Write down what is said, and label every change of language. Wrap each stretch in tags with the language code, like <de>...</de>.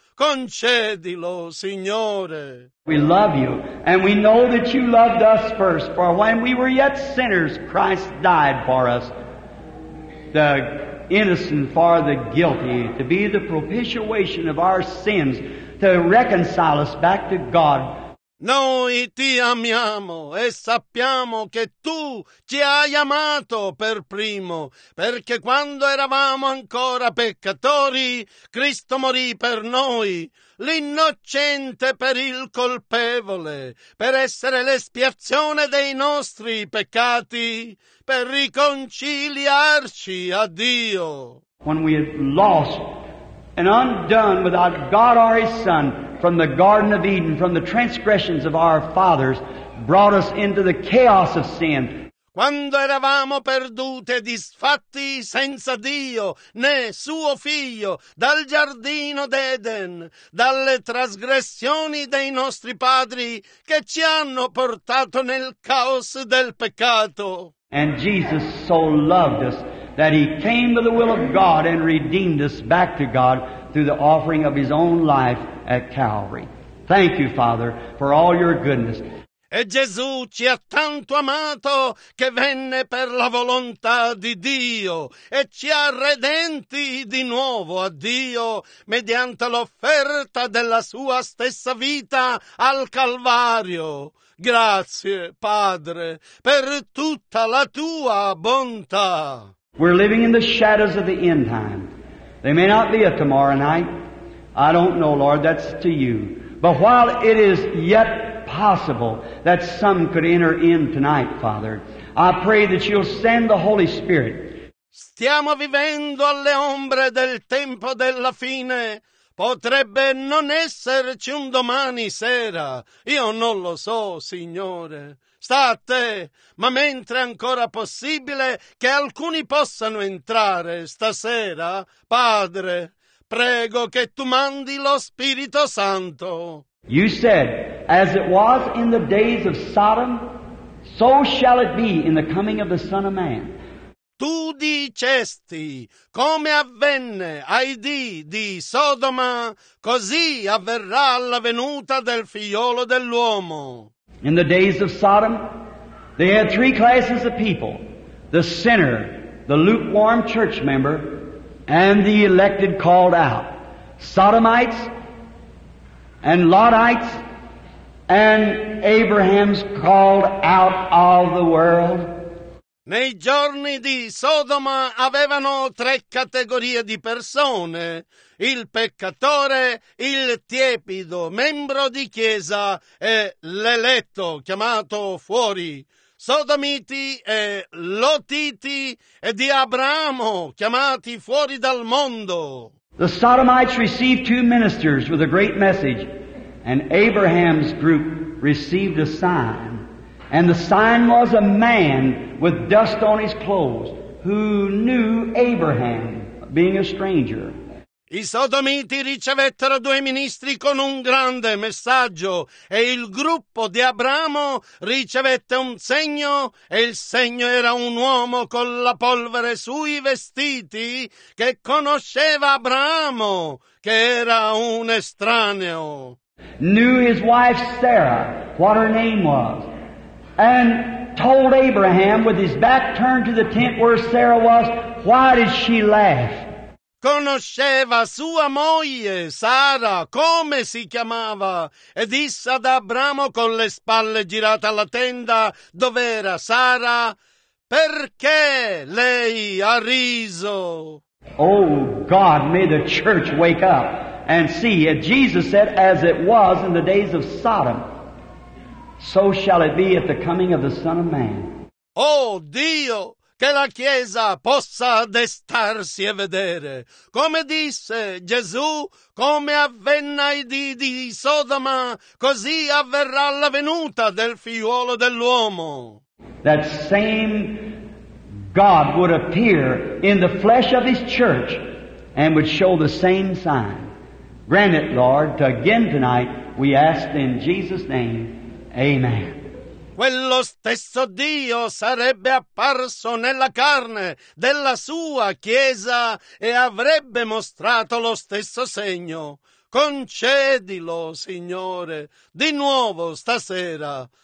<it>Concedilo, Signore.</it> <en>We love you, and we know that you loved us first, for when we were yet sinners, Christ died for us. The innocent for the guilty, to be the propitiation of our sins, to reconcile us back to God.</en> <it>Noi ti amiamo e sappiamo che tu ci hai amato per primo, perché quando eravamo ancora peccatori, Cristo morì per noi, l'innocente per il colpevole, per essere l'espiazione dei nostri peccati, per riconciliarci a Dio.</it> <en>When we had lost and undone without God or His Son, from the Garden of Eden, from the transgressions of our fathers, brought us into the chaos of sin.</en> <it>Quando eravamo perduti e disfatti senza Dio, né suo figlio, dal giardino d'Eden, dalle trasgressioni dei nostri padri che ci hanno portato nel caos del peccato.</it> <en>And Jesus so loved us that he came to the will of God and redeemed us back to God through the offering of his own life at Calvary. Thank you, Father, for all your goodness.</en> <it>E Gesù ci ha tanto amato che venne per la volontà di Dio e ci ha redenti di nuovo a Dio mediante l'offerta della sua stessa vita al Calvario. Grazie, Padre, per tutta la tua bontà.</it> <en>We're living in the shadows of the end time. There may not be a tomorrow night. I don't know, Lord, that's to you. But while it is yet possible that some could enter in tonight, Father, I pray that you'll send the Holy Spirit.</en> <it>Stiamo vivendo alle ombre del tempo della fine. Potrebbe non esserci un domani sera. Io non lo so, Signore. Sta a te, ma mentre è ancora possibile che alcuni possano entrare stasera, Padre, prego che tu mandi lo Spirito Santo.</it> <en>You said, as it was in the days of Sodom, so shall it be in the coming of the Son of Man.</en> <it>Tu dicesti, come avvenne ai dì di Sodoma, così avverrà alla venuta del figliolo dell'uomo.</it> <en>In the days of Sodom, they had three classes of people: the sinner, the lukewarm church member, and the elected called out. Sodomites, and Lotites, and Abraham's called out of the world.</en> <it>Nei giorni di Sodoma avevano tre categorie di persone: il peccatore, il tiepido membro di chiesa e l'eletto chiamato fuori, sodomiti e lotiti e di Abramo chiamati fuori dal mondo.</it> <en>The Sodomites received two ministers with a great message, and Abraham's group received a sign. And the sign was a man with dust on his clothes who knew Abraham, being a stranger.</en> <it>I sodomiti ricevettero due ministri con un grande messaggio e il gruppo di Abramo ricevette un segno e il segno era un uomo con la polvere sui vestiti che conosceva Abramo, che era un estraneo.</it> <en>Knew his wife Sarah, what her name was. And told Abraham, with his back turned to the tent where Sarah was, why did she laugh?</en> <it>Conosceva sua moglie, Sara, come si chiamava, e disse ad Abramo con le spalle girate alla tenda, dove era Sara, perché lei ha riso?</it> <en>Oh God, may the church wake up and see. And Jesus said, as it was in the days of Sodom, so shall it be at the coming of the Son of Man.</en> <it>Oh Dio, che la Chiesa possa destarsi e vedere. Come disse Gesù, come avvenne ai dì di Sodoma, così avverrà la venuta del figliuolo dell'uomo.</it> <en>That same God would appear in the flesh of his church and would show the same sign. Grant it, Lord, to again tonight, we ask in Jesus' name. Amen.</en> <it>Quello stesso Dio sarebbe apparso nella carne della sua chiesa e avrebbe mostrato lo stesso segno. Concedilo, Signore, di nuovo stasera.</it>